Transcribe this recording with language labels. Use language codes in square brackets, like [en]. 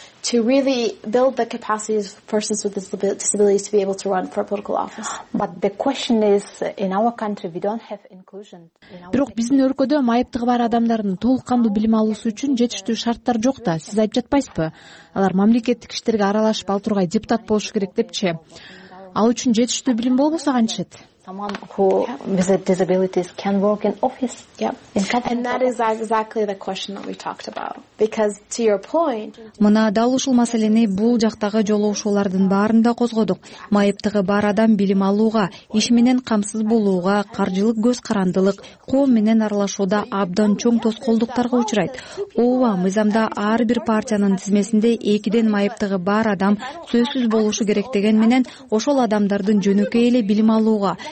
[en] To really build the capacities of persons with disabilities to be able to run for political office. But the question is, in our country we don't have inclusion. [ky] Бирок биздин өлкөдө майыптыгы бар адамдардын толук кандуу билим алуусу үчүн жетиштүү шарттар жок да. Сиз айтып жатпайсызбы? Алар мамлекеттик иштерге аралашып ал тургай депутат болушу керек депчи. Ал үчүн жетиштүү билим болбосо канчет? [en] Someone who with disabilities can work in office. Yeah. And that is exactly the question that we talked about. Because to your point, [ky] мына дал ушул маселени бул жактагы жолугушуулардын баарында козгодук. Майыптыгы бар адам билим алууга, иш менен камсыз болууга, каржылык көз карандылык, коом менен аралашууда абдан чоң тоскоолдуктарга учурайт. Ооба, мыйзамда ар бир партиянын тизмесинде 2 майыптыгы бар адам сөзсүз болушу керек деген менен ошол адамдардын жөнөкөй эле билим алууга,